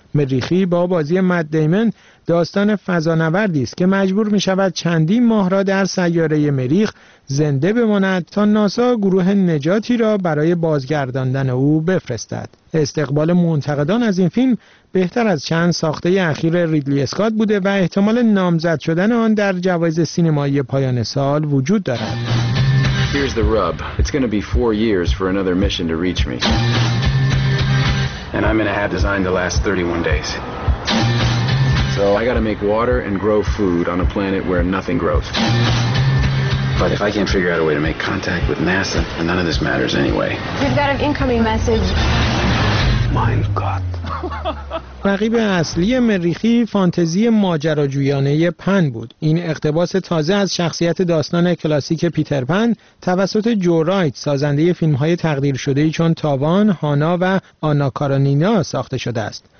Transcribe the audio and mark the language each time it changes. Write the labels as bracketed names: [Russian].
[Persian] مریخی با بازی مت دیمن داستان فضانوردی است که مجبور می شود چندین ماه را در سیاره مریخ زنده بماند تا ناسا گروه نجاتی را برای بازگرداندن او بفرستد. استقبال منتقدان از این فیلم بهتر از چند ساخته اخیر ریدلی اسکات بوده و احتمال نامزد شدن آن در جوایز سینمایی پایان سال وجود دارد. [English] Here's the rub. It's going to be 4 years for another mission to reach me. And I'm in a hat designed to last 31 days. So I got to make water and grow food on a planet where nothing grows. But if I can't figure out a way to make contact with NASA, then none of this matters anyway. We've got an incoming message. My God. [Persian] رقیب اصلی مریخی فانتزی ماجراجویانه پن بود. این اقتباس تازه از شخصیت داستان کلاسیک پیتر پن توسط جو رایت سازنده فیلم‌های تقدیر شده چون تاوان، هانا و آنا کارانینا ساخته شده است.